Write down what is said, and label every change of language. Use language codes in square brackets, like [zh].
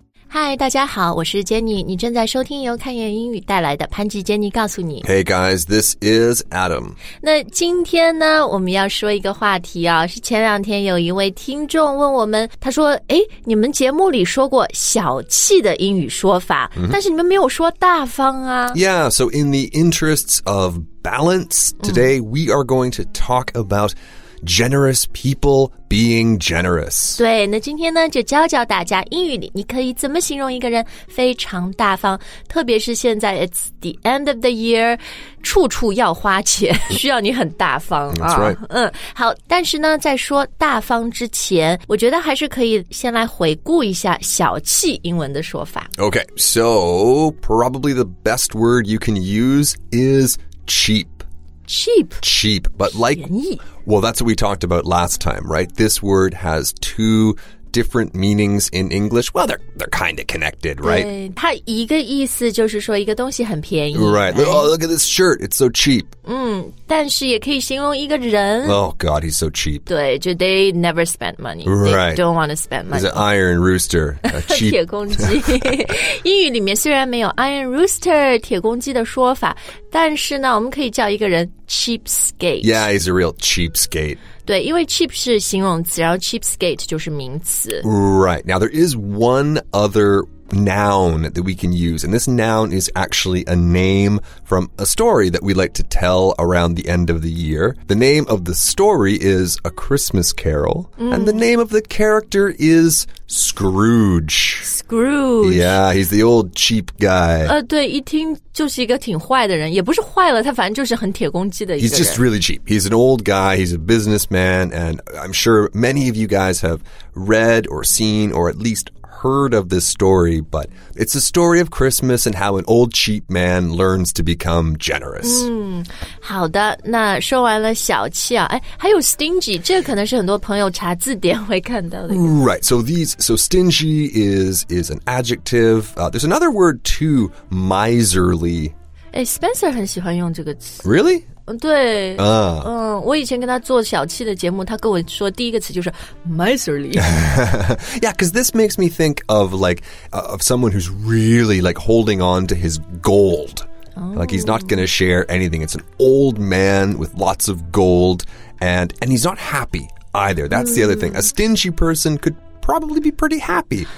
[zh] 嗨，大家好，我是 Jenny， 你正在收听由看言英语带来的潘吉 Jenny 告诉你。 [en] Hey guys, this is Adam. [zh] 那今天呢，我们要说一个话题啊，是前两天有一位听众问我们，他说，诶，你们节目里说过小气的英语说法，但是你们没有说大方啊。 [en] Yeah, so in the interests of balance, today we are going to talk about generous people being generous. [zh] 对，那今天呢，就教教大家英语里你可以怎么形容一个人非常大方，特别是现在 [en] it's the end of the year, [zh] 处处要花钱，需要你很大方。 [en] That's right. [zh] 好，但是呢，在说大方之前，我觉得还是可以先来回顾一下小气英文的说法。 [en] Okay, so probably the best word you can use is cheap. Cheap, but like, well, that's what we talked about last time, right? This word has two different meanings in English. Well, they're kind of connected, right? [zh] 它一个意思就是说一个东西很便宜。 [en] Right. Oh, look at this shirt. It's so cheap. [zh] 但是也可以形容一个人。 [en] Oh, God, he's so cheap. 对，就 they never spend money. Right. They don't want to spend money. He's an iron rooster. A cheap. [zh] 铁公鸡。英语里面虽然没有 iron rooster, 铁公鸡的说法，但是呢，我们可以叫一个人 cheapskate. [en] Yeah, he's a real cheapskate. [zh] 对，因为 cheap 是形容词，然后 cheapskate 就是名词。 [en] Right. Now, there is one other noun that we can use, and this noun is actually a name from a story that we like to tell around the end of the year. The name of the story is A Christmas Carol, and the name of the character is Scrooge. Scrooge. Yeah, he's the old cheap guy. [zh] 对，一听就是一个挺坏的人，也不是坏了，他反正就是很铁公鸡的一个人。 [en] He's just really cheap. He's an old guy, he's a businessman, and I'm sure many of you guys have read or seen or at least heard of this story, but it's a story of Christmas and how an old cheap man learns to become generous. [zh] 好的，那说完了小气啊，哎，还有 stingy, 这可能是很多朋友查字典会看到的。 [en] Right, so stingy is an adjective. There's another word too, miserly. [zh] Hey, Spencer 很喜欢用这个词。 [en] Really? [zh] 对、我以前跟他做小气的节目，他跟我说第一个词就是 miserly. [en] Yeah, because this makes me think of like, of someone who's really like holding on to his gold. Like he's not going to share anything. It's an old man with lots of gold and he's not happy either. That's the other thing. A stingy person could probably be pretty happy.